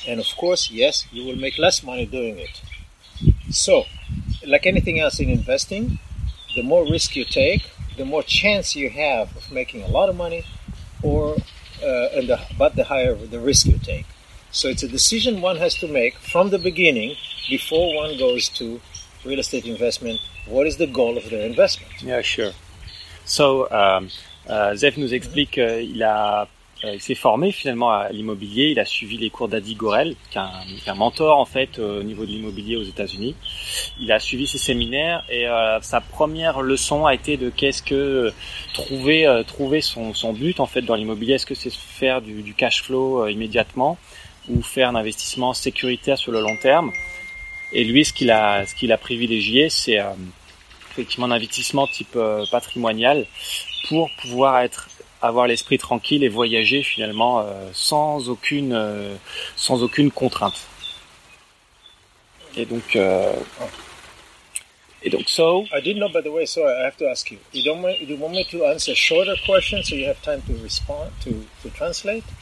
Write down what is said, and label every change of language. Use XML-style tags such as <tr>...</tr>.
<en>And of course, yes, you will make less money doing it. So, like anything else in investing, the more risk you take, the more chance you have of making a lot of money, but the higher the risk you take. So it's a decision one has to make from the beginning before one goes to real estate investment. What is the goal of their investment? Yeah, sure.</en> <fr>So Zev nous explique qu'il s'est formé finalement à l'immobilier. Il a suivi les cours d'Adi Gorel, qui est un mentor en fait au niveau de l'immobilier aux États-Unis. Il a suivi ses séminaires et sa première leçon a été de trouver son but en fait dans l'immobilier. Est-ce que c'est faire du cash flow immédiatement ou faire un investissement sécuritaire sur le long terme? Et lui, ce qu'il a privilégié, c'est effectivement un investissement type patrimonial pour pouvoir être avoir l'esprit tranquille et voyager finalement sans aucune contrainte. Et donc</fr> <en>I didn't know, by the way, so I have to ask you. Do you want me to answer shorter questions so you have time to respond to translate?</en>